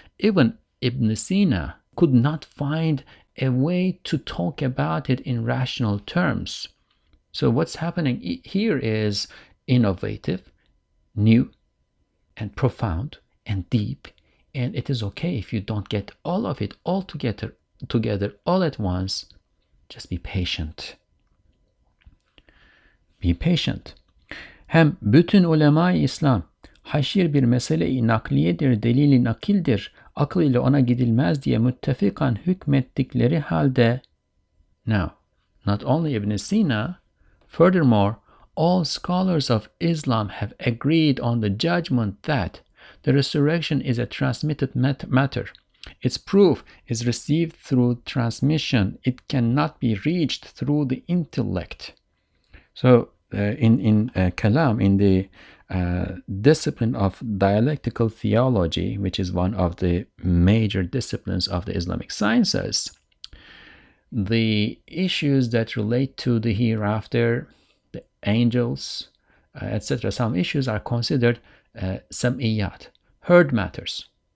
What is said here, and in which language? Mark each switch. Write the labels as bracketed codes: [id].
[en] Even Ibn Sina could not find a way to talk about it in rational terms. So what's happening here is innovative, new, and profound, and deep. And it is okay if you don't get all of it all together all at once. Just be patient. Be patient. [tr] Hem bütün ulema-i İslam, haşir bir mesele-i nakliyedir, delil-i nakildir, akıl ile ona gidilmez diye müttefikan hükmettikleri halde. [en] Now, not only Ibn Sina, furthermore, all scholars of Islam have agreed on the judgment that The resurrection is a transmitted matter. Its proof is received through transmission. It cannot be reached through the intellect. So in Kalam, in the discipline of dialectical theology, which is one of the major disciplines of the Islamic sciences, the issues that relate to the hereafter, the angels, etc., some issues are considered sam'iyat, heard matters.